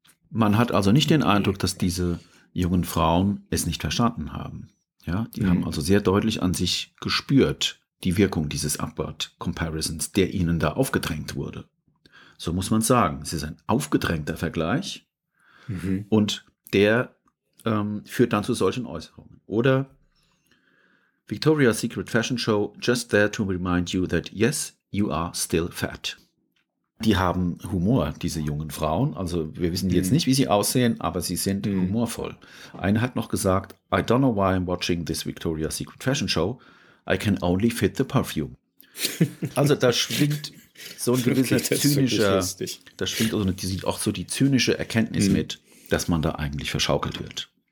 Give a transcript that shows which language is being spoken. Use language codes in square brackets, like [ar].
[de] Man hat also nicht den Eindruck, dass diese jungen Frauen es nicht verstanden haben. Ja, die haben also sehr deutlich an sich gespürt, die Wirkung dieses Upward Comparisons, der ihnen da aufgedrängt wurde. So muss man sagen, es ist ein aufgedrängter Vergleich und der führt dann zu solchen Äußerungen. [en] Oder Victoria's Secret Fashion Show, just there to remind you that yes, you are still fat. [de] Die haben Humor, diese jungen Frauen. Also wir wissen jetzt nicht, wie sie aussehen, aber sie sind humorvoll. Eine hat noch gesagt, [en] I don't know why I'm watching this Victoria's Secret Fashion Show. I can only fit the perfume. [de] Also da schwingt so ein gewisser zynischer, da schwingt also auch so die zynische Erkenntnis mit, dass man da eigentlich verschaukelt wird.